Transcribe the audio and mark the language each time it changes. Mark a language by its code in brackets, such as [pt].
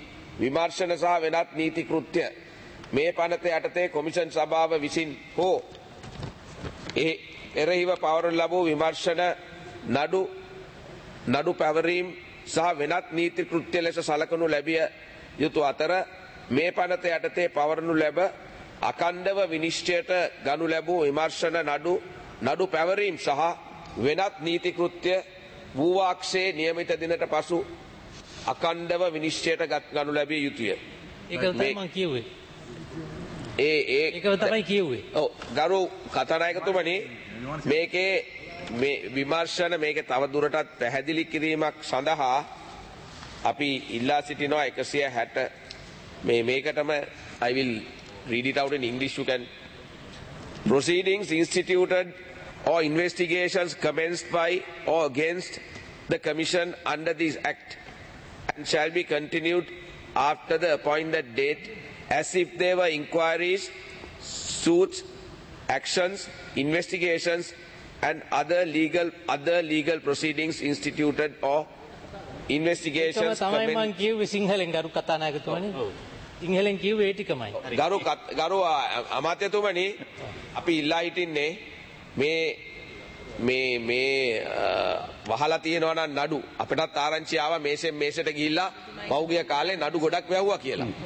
[si] විමර්ශන සහ වෙනත් නීති කෘත්‍ය මේ පනත යටතේ කොමිෂන් සභාව විසින් හෝ ඒ එරෙහිව පවරනු ලැබූ විමර්ශන නඩු පැවරීම් සහ වෙනත් නීති කෘත්‍ය ලෙස සලකනු ලැබිය යුතු අතර මේ පනත යටතේ පවරනු ලැබ අකණ්ඩව විනිශ්චයට ගනු ලැබූ විමර්ශන නඩු පැවරීම් සහ වෙනත් නීති කෘත්‍ය වූවාක්ෂේ නියමිත දිනට පසු අකණ්ඩව විනිශ්චයට ගනු ලැබිය යුතුය. ඒක තමයි මම කියුවේ. ඒ ඒ ඒක තමයි කියුවේ. ඔව් ගරු කතානායකතුමනි මේකේ මේ විමර්ශන මේකේ තවදුරටත් පැහැදිලි කිරීමක් සඳහා අපි ඉල්ලා සිටිනවා 160 මේ මේකටම [en] I will read it out in English you can proceedings instituted or investigations commenced by or against the commission under this act and shall be continued after the appointed date as if there were inquiries suits actions investigations and other legal proceedings instituted or investigations [si] commenced තමයි මම කියුවේ සිංහලෙන් ගරු කතානායකතුමනි ඉංගලෙන් කියුවේ ඒ ටිකමයි. ගරු අමාත්‍යතුමනි අපි ඉල්ලා හිටින්නේ මේ මේ මේ වහලා තියෙනවා නම් නඩු අපිටත් ආරංචි ආවා මේසෙන් මේසෙට ගිහිල්ලා පෞගිය කාලේ නඩු ගොඩක් වැහුවා කියලා.